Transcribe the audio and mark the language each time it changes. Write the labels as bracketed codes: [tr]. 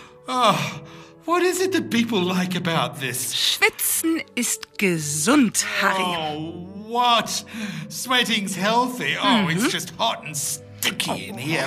[en] Oh, what is it that people like about this? [de] Schwitzen ist gesund, Harry. [en] Oh, what? Sweating's healthy. Oh, It's just hot and sticky in here.